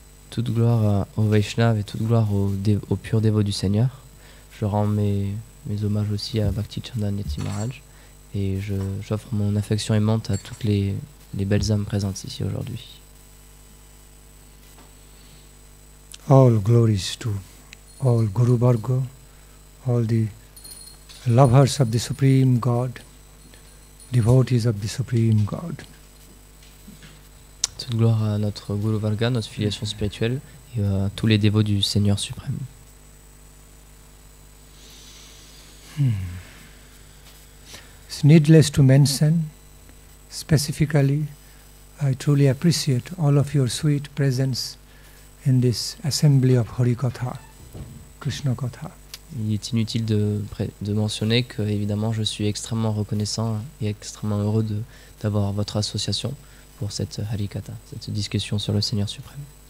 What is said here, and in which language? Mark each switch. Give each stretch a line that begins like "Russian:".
French: Toute gloire aux Vaishnav et toute gloire aux purs dévots du Seigneur. Je rends mes hommages aussi à Bhakti Chandan Yati Maharaj et j'offre mon affection aimante à toutes les belles âmes présentes ici aujourd'hui.
English: All glories to all Guru Bhargo, all the lovers of the Supreme God, devotees of the Supreme God.
French: Toute gloire à notre Guru Varga, notre filiation spirituelle, et à tous les dévots du Seigneur suprême.
English: It's needless to mention, specifically, I truly appreciate all of your sweet presence in this assembly of Hari Katha, Krishna Katha.
French: Il est inutile de mentionner que, évidemment, je suis extrêmement reconnaissant et extrêmement heureux d'avoir votre association pour cette Harikatha, cette discussion sur le Seigneur suprême.